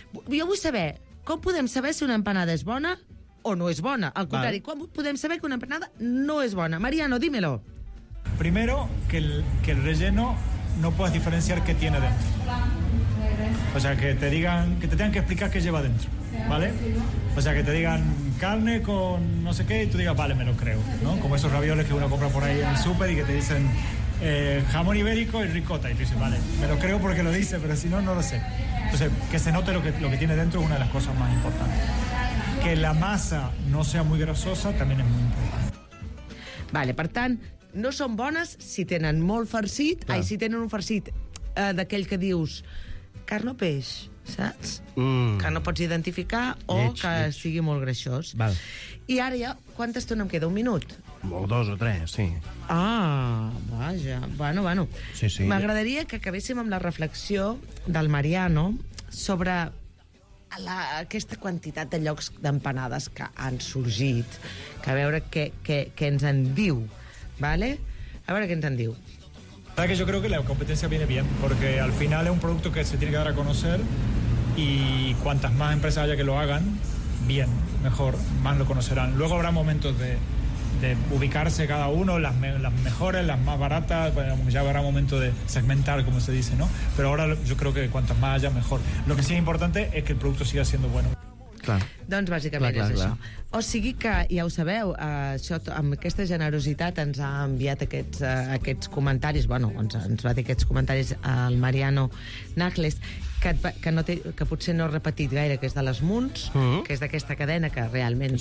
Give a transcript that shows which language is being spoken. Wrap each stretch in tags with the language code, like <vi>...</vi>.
<ca>Jo vull saber, com podem saber si una empanada és bona o no és bona? Al contrari, com podem saber que una empanada no és bona? Mariano,</ca> <es>dímelo. Primero, que el relleno no puedes diferenciar qué tiene dentro. O sea, que te tengan que explicar qué lleva dentro, ¿vale? O sea, que te digan carne con no sé qué y tú digas, vale, me lo creo, ¿no? Como esos ravioles que uno compra por ahí en el súper y que te dicen... jamón ibérico y ricota, y tú dices, vale, me lo creo porque lo dice, pero si no, no lo sé. Entonces, que se note lo que tiene dentro es una de las cosas más importantes. Que la masa no sea muy grasosa también es muy importante.</es> <ca>Vale, per tant, no són bones si tenen molt farcit, ai, si tenen un farcit d'aquell que dius carn o peix, saps? Que no pots identificar o sigui molt greixós. Val. I ara ja, quanta estona em queda? Un minut? O dos o tres, sí. Ah, vaja. Bueno. Sí. M'agradaria que acabéssim amb la reflexió del Mariano sobre aquesta quantitat de llocs d'empanades que han sorgit, que a veure què ens en diu, ¿vale? A veure què ens en diu.</ca> <es>Que yo creo que la competencia viene bien, porque al final es un producto que se tiene que dar a conocer y cuantas más empresas haya que lo hagan, bien, mejor, más lo conocerán. Luego habrá momentos de ubicarse cada uno, las mejores, las más baratas, bueno, ya habrá momento de segmentar, como se dice, ¿no? Pero ahora yo creo que cuantas más haya, mejor. Lo que sí es importante es que el producto siga siendo bueno.</es> <ca>Clar. Doncs bàsicament clar, és això. O sigui que, ja ho sabeu, això, amb aquesta generositat ens ha enviat aquests comentaris, bueno, ens va dir aquests comentaris el Mariano Nagles, que potser no ha repetit gaire, que és de les Munts, que és d'aquesta cadena que realment...</ca>